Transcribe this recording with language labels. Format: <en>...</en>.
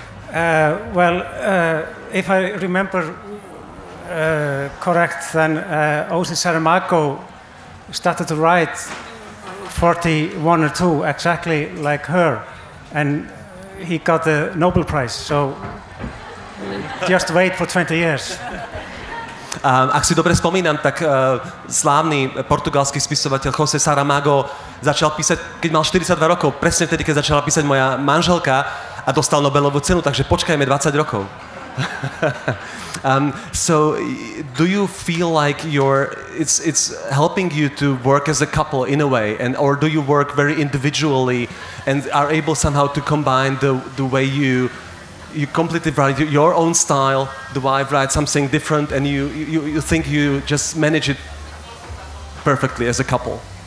<en>If I remember correct, then Ozzy Saramago started to write 41 or 2, exactly like her, and he got the Nobel Prize, so just wait for 20 years.</en> <sk>Ak si dobre spomínam, tak slávny portugalský spisovateľ José Saramago začal písať, keď mal 42 rokov, presne vtedy, keď začala písať moja manželka a dostal Nobelovú cenu, takže počkajme 20 rokov.</sk> <en>So do you feel like it's helping you to work as a couple in a way, and or do you work very individually and are able somehow to combine the way you completely write your own style, the wife writes something different, and you think you just manage it perfectly as a couple?</en>